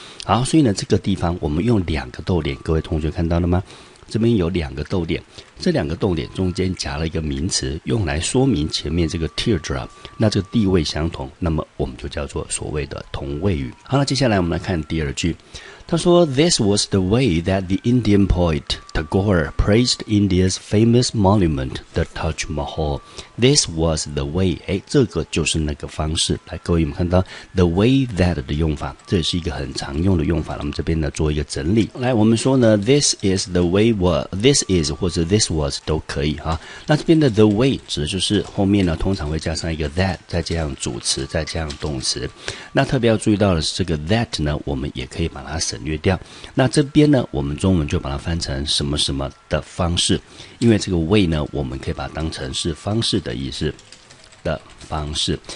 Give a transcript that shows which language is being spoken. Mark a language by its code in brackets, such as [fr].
[zh] 好，所以呢这个地方我们用两个逗点，各位同学看到了吗？这边有两个逗点，这两个逗点中间夹了一个名词，用来说明前面这个 teardrop， 那这个地位相同，那么我们就叫做所谓的同位语。好了，接下来我们来看第二句。他说 [en] This was the way that the Indian poet Tagore praised India's famous monument, the Taj Mahal. This was the way. [zh] 诶，这个就是那个方式。来，各位有没有看到 the way that 的用法，这是一个很常用的用法。我们这边呢做一个整理。来，我们说呢 [en] This is the way what, this is [zh] 或者 [en] this was [zh] 都可以啊。那这边的 the way 指的就是后面呢通常会加上一个 that， 再加上主词，再加上动词。那特别要注意到的是这个 that 呢，我们也可以把它省略掉。那这边呢我们中文就把它翻成什么什么的方式，因为这个 way 呢我们可以把它当成是方式的意思的方式。